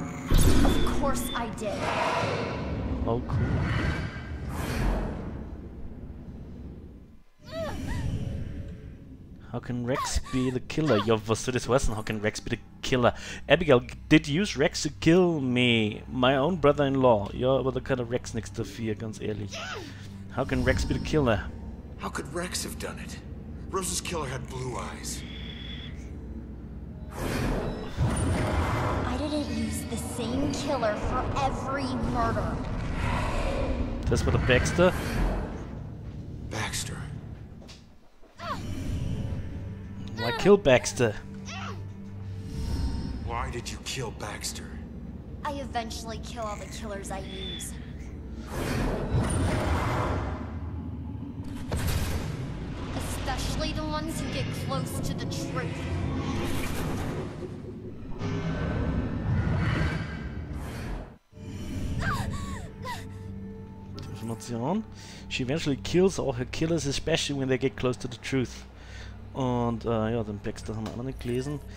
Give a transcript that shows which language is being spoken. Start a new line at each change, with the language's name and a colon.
English: Of course I did. Oh, cool. How can Rex be the killer?
German: Yo, was soll das heißen?
English: How can Rex be the killer? Abigail, did you use Rex to kill me? My own brother-in-law.
German: Yo, aber da kann Rex nichts dafür, ganz ehrlich.
English: How can Rex be the killer? How could Rex have done it? Rose's killer had blue eyes. I didn't use the same killer for every murder.
German: Das war der Baxter. Baxter.
English: Why kill Baxter? Why did you kill Baxter? I eventually kill all the killers I use. Especially the ones who get close to the truth. Information. She eventually kills all her killers, especially when they get close to the truth.
German: Und ja, den Baxter haben wir auch noch nicht gelesen.